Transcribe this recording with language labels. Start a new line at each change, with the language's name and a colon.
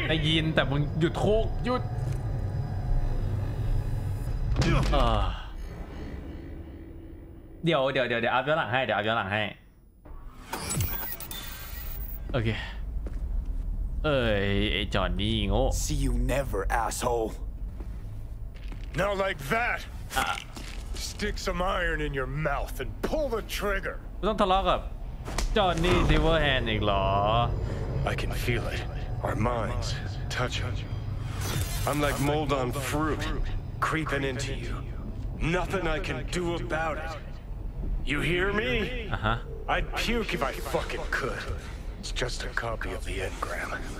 Thai: ได้ยินแต่มึงหยุดโคกหยุดเดี๋ยวอัพย้อนหลังให้เดี๋ยวอัพย้อนหลังให้โอเคเอ้ยไอ้จอนนี่โง่
English: See you never asshole Now like that Stick some iron in your mouth and pull the trigger
Thai: ไม่ต้องทะเลาะกับจอนนี่ซิลเวอร์แฮนด์อีกหรอ
English: I can feel it Our minds touch I'm like mold on fruit creeping into you Nothing I can do about it You hear me I'd puke if I fucking could It's just a copy of the engram.